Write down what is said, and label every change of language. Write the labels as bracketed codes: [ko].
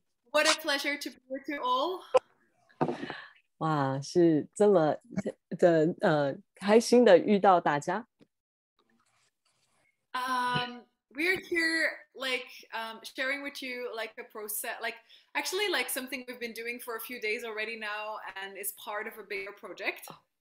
[en] What a pleasure to be with you all. [zh] 哇，是这么的开心的遇到大家. [en] We're here, like, sharing with you, like, a process, like, actually, like, something we've been doing for a few days already now, and is part of a bigger project.